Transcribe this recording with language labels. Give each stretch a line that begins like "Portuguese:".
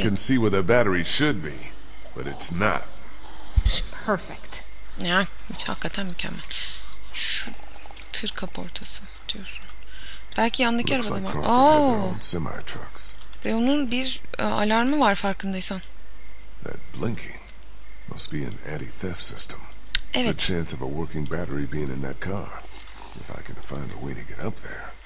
English: I can see where the battery should be, but it's not. Perfect.
Turkish: Ya, hakikaten mükemmel. Şu tır kaportası diyorsun. Belki yandaki arabada var. Oo. Ve onun bir alarmı var farkındaysan.
English: That blinking must be an anti-theft system.
Turkish: Evet.
English: The chance of a working battery being in that car. If I can find a way to get up there.